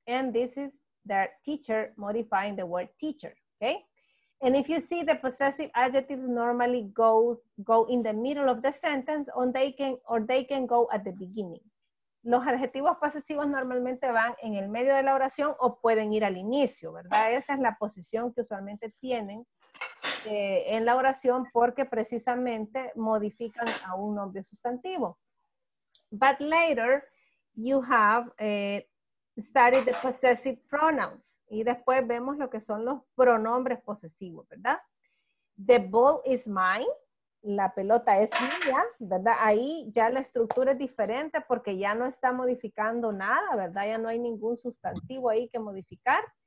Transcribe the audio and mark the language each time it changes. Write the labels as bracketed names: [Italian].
[English] And this is their teacher, modifying the word teacher, okay? And if you see, the possessive adjectives normally go in the middle of the sentence or they can go at the beginning. [Spanish] Los adjetivos posesivos normalmente van en el medio de la oración o pueden ir al inicio, ¿verdad? Esa es la posición que usualmente tienen en la oración porque precisamente modifican a un nombre sustantivo. [English] But later, you have studied the possessive pronouns. [Spanish] Y después vemos lo que son los pronombres posesivos, ¿verdad? [English] The ball is mine. [Spanish] La pelota es mía, ¿verdad? Ahí ya la estructura es diferente porque ya no está modificando nada, ¿verdad? Ya no hay ningún sustantivo ahí que modificar.